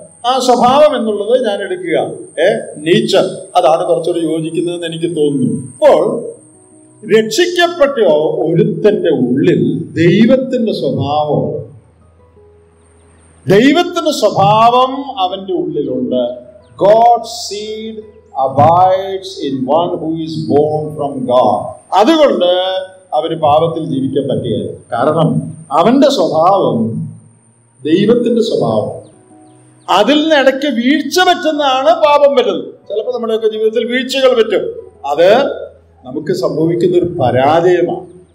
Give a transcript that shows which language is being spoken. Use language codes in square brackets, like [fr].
[ml] ആ സ്വഭാവം എന്നുള്ളത് ഞാൻ എടുക്കുക, നേച്ചർ, അതാണ് കുറച്ചുകൂടി യോജിക്കുന്നതെന്ന് എനിക്ക് തോന്നുന്നു. അപ്പോൾ രക്ഷിക്കപ്പെട്ട ഒരുത്തന്റെ ഉള്ളിൽ ദൈവത്തിന്റെ സ്വഭാവം, ദൈവത്തിന്റെ സ്വഭാവം അവന്റെ ഉള്ളിലുണ്ട്. [en] God's seed abides in one who is born from God. [ml] അതുകൊണ്ട് അവന് പാപത്തിൽ ജീവിക്കാൻ പറ്റിയത്, കാരണം അവന്റെ സ്വഭാവം ദൈവത്തിന്റെ സ്വഭാവം. അതിൽ നിന്ന് ഇടയ്ക്ക് വീഴ്ച പറ്റുന്നതാണ് പാപം വരുന്നത്. ചിലപ്പോൾ നമ്മുടെയൊക്കെ ജീവിതത്തിൽ വീഴ്ചകൾ പറ്റും, അത് നമുക്ക് സംഭവിക്കുന്ന ഒരു പരാജയമാണ്.